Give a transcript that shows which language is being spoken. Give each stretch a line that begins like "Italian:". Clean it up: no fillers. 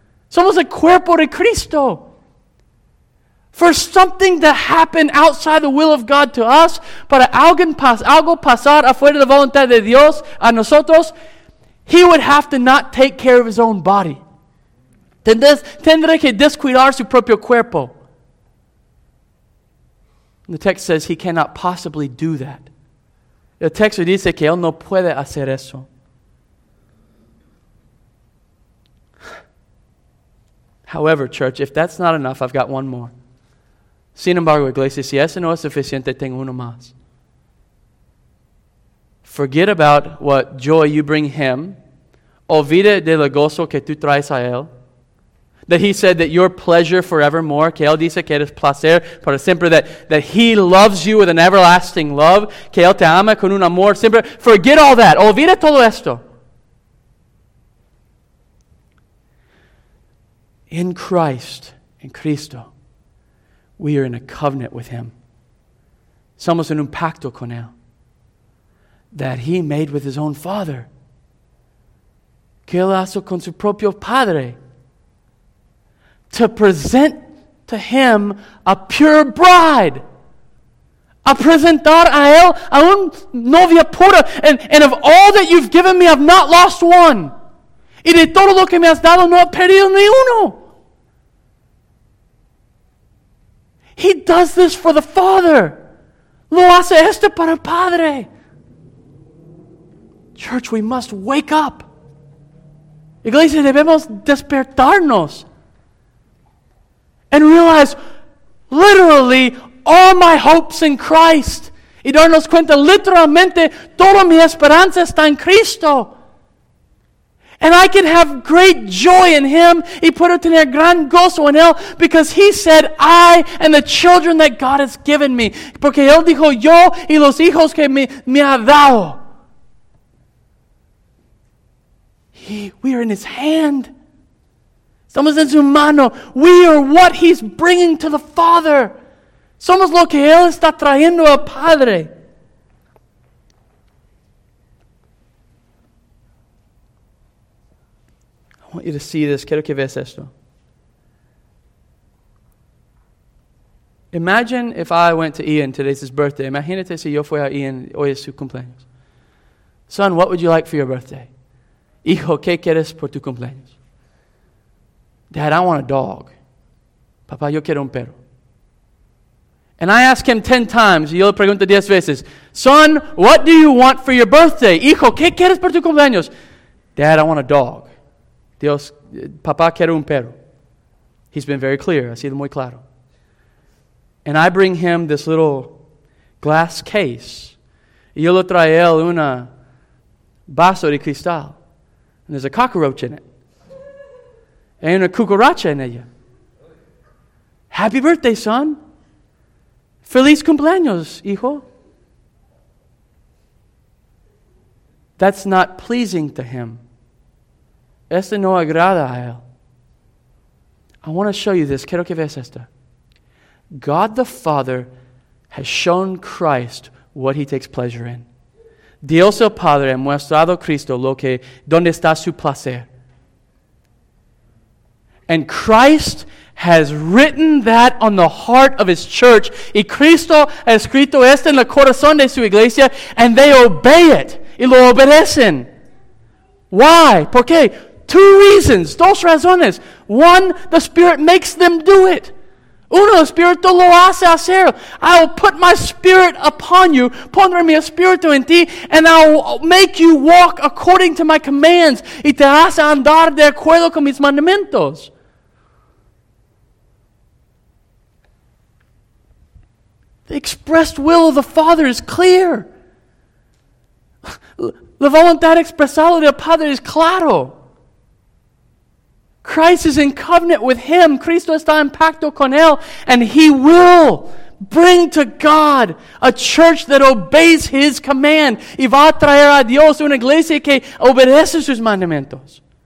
Spanish: Somos el cuerpo de Cristo.
English: For something to happen outside the will of God to us,
Spanish: para algo pasar afuera de la voluntad de Dios a nosotros,
English: he would have to not take care of his own body.
Spanish: Tendré que descuidar su propio cuerpo.
English: And the text says he cannot possibly do that.
Spanish: El texto dice que él no puede hacer eso.
English: However, church, if that's not enough, I've got one more.
Spanish: Sin embargo, iglesia, si eso no es suficiente, tengo uno más.
English: Forget about what joy you bring him.
Spanish: Olvide del gozo que tú traes a él.
English: That he said that your pleasure forevermore,
Spanish: que él dice que eres placer para siempre,
English: that he loves you with an everlasting love,
Spanish: que él te ama con un amor siempre.
English: Forget all that.
Spanish: Olvide todo esto.
English: In Christ, in Cristo, we are in a covenant with him.
Spanish: Somos en un pacto con él
English: that he made with his own father.
Spanish: Que él hizo con su propio padre.
English: To present to him a pure bride.
Spanish: A presentar a él a un novia pura.
English: And of all that you've given me, I've not lost one.
Spanish: Y de todo lo que me has dado, no he perdido ni uno.
English: He does this for the Father.
Spanish: Lo hace esto para el Padre.
English: Church, we must wake up.
Spanish: Iglesia, debemos despertarnos.
English: And realize, literally, all my hopes in Christ.
Spanish: Y darnos cuenta, literalmente, toda mi esperanza está en Cristo.
English: And I can have great joy in him.
Spanish: Y puedo tener gran gozo en él.
English: Because he said, I and the children that God has given me.
Spanish: Porque él dijo, yo y los hijos que me ha dado.
English: We are in his hand.
Spanish: Somos en su mano.
English: We are what he's bringing to the Father.
Spanish: Somos lo que él está trayendo al Padre.
English: I want you to see this.
Spanish: Quiero que veas esto.
English: Imagine if I went to Ian, today's his birthday.
Spanish: Imagínate si yo fui a Ian, hoy es su cumpleaños.
English: Son, what would you like for your birthday?
Spanish: Hijo, ¿qué quieres por tu cumpleaños?
English: Dad, I want a dog.
Spanish: Papá, yo quiero un perro.
English: And I ask him 10 times,
Spanish: y yo le pregunto 10 veces,
English: son, what do you want for your birthday?
Spanish: Hijo, ¿qué quieres por tu cumpleaños?
English: Dad, I want a dog.
Spanish: Dios, papá quiere un perro.
English: He's been very clear.
Spanish: Ha sido muy claro.
English: And I bring him this little glass case.
Spanish: Y yo lo trae él una vaso de cristal.
English: And there's a cockroach in it. And
Spanish: una cucaracha en ella.
English: Happy birthday, son.
Spanish: Feliz cumpleaños, hijo.
English: That's not pleasing to him.
Spanish: Este no agrada a él.
English: I want to show you this.
Spanish: Quiero que veas esto.
English: God the Father has shown Christ what he takes pleasure in.
Spanish: Dios el Padre ha mostrado a Cristo lo que, donde está su placer.
English: And Christ has written that on the heart of his church.
Spanish: Y Cristo ha escrito esto en el corazón de su iglesia.
English: And they obey it.
Spanish: Y lo obedecen.
English: Why?
Spanish: ¿Por qué?
English: Two reasons,
Spanish: dos razones.
English: One, the Spirit makes them do it.
Spanish: Uno, el Espíritu lo hace hacer.
English: I will put my Spirit upon you,
Spanish: pondré mi Espíritu en ti,
English: and I will make you walk according to my commands,
Spanish: y te hace andar de acuerdo con mis mandamientos.
English: The expressed will of the Father is clear.
Spanish: La voluntad expresada del Padre es claro.
English: Christ is in covenant with him.
Spanish: Cristo está en pacto con él.
English: And he will bring to God a church that obeys his command.
Spanish: Y va a traer a Dios una iglesia que obedece sus mandamientos.